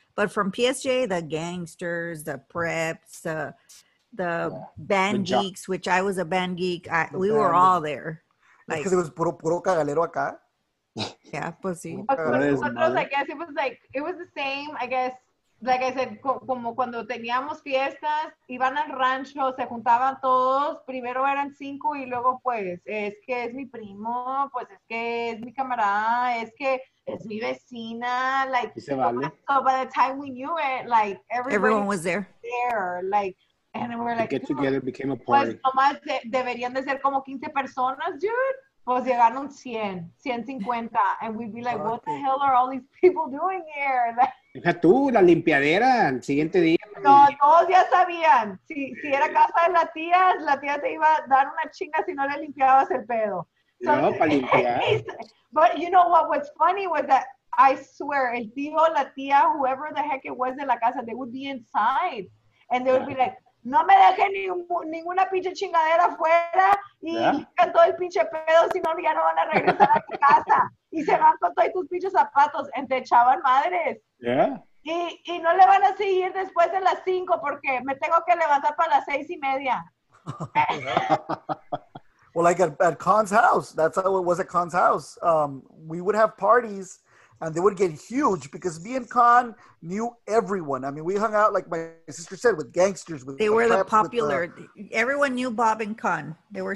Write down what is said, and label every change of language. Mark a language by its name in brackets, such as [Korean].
[English] But from PSJ, the gangsters, the preps, the band geeks, which I was a band geek, we were all there. Because it was [Spanish] puro cagalero acá. [English] Yeah, [Spanish] pues sí. [English] I guess it was the same, I guess. Like I said, [Spanish] como cuando teníamos fiestas, iban al rancho, se juntaban todos. Primero eran 5 y luego, pues, es que es mi primo, pues, es que es mi camarada, es que es mi vecina. [English] Like, [Spanish] se vale. [English] So by the time we knew it, like, everyone was there. Like, and we're like, get together, became a party. [Spanish] Pues, nomás deberían de ser como 15 personas, dude. Pues llegaron [English] 150, and we'd be like, what the hell are all these people doing here? [Spanish] Deja tú, la limpiadera, el siguiente día. No, todos ya sabían. Si era casa de la tía te iba a dar una chinga si no le limpiabas el pedo. No, para limpiar. [English] But you know what was funny was that, I swear, [Spanish] el tío, la tía, [English] whoever the heck it was [Spanish] de la casa, [English] they would be inside, and they would be like, [Spanish] no me dejé ninguna pinche chingadera afuera y limpian todo el pinche pedo, si no, ya no van a regresar a tu casa. Y se van con todos tus pinches zapatos, y te echaban madres. [English] Yeah. [Spanish] Y no le van a seguir después de las 5 porque me tengo que levantar para las 6:30. [English] Well, like at Khan's house, that's how it was at Khan's house. We would have parties. And they would get huge because me and Khan knew everyone. I mean, we hung out, like my sister said, with gangsters. Everyone knew Bob and Khan. They were